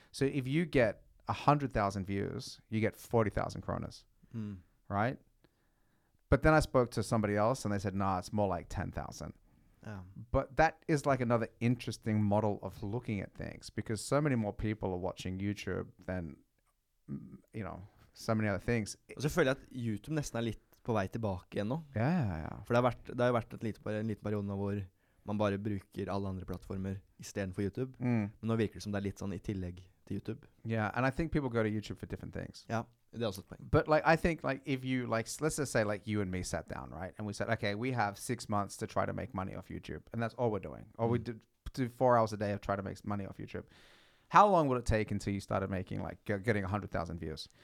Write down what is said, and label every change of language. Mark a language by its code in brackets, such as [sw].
[en] So if you get 100,000 views, you get 40,000 kroners, right? But then I spoke to somebody else and they said, nah, it's more like 10,000. But that is like another interesting model of looking at things, because so many more people are watching YouTube than, you know, so many other things. [no] Og så føler jeg at YouTube nesten litt på vei tilbake igjen nå. Ja, ja, ja. For det har vært, det har vært et lite, en liten periode hvor man bare bruker alle andre plattformer I stedet for YouTube. Mm. Men nå virker det som det litt sånn I tillegg til YouTube. [en] Yeah, and I think people go to YouTube for different things. [no] Ja, det også et poeng. [en] But like, I think like if you like, let's just say like you and me sat down, right? And we said, okay, we have 6 months to try to make money off YouTube. And that's all we're doing. Or we do 4 hours a day of trying to make money off YouTube. How long would it take until you started making like getting 100,000 views?